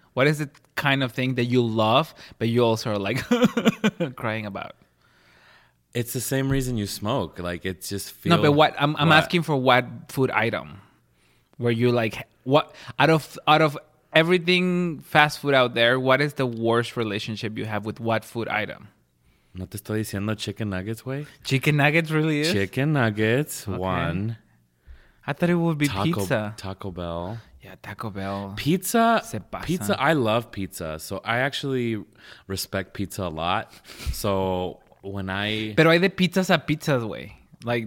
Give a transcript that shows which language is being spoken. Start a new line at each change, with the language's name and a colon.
English: What is the kind of thing that you love, but you also are like crying about? It's the same reason you smoke. Like, it just feels... No, but I'm asking for what food item where you like, what out of everything fast food out there, what is the worst relationship you have with what food item?
Spanish: No te estoy diciendo chicken nuggets, güey.
English: Chicken nuggets really is? Chicken nuggets, one. I thought it would be pizza. Taco Bell. Yeah, Taco Bell. Pizza.
Spanish: Se pasa.
English: Pizza, I love pizza. So I actually respect pizza a lot. So when I...
Spanish: Pero hay de pizzas a pizzas, güey.
English: Like,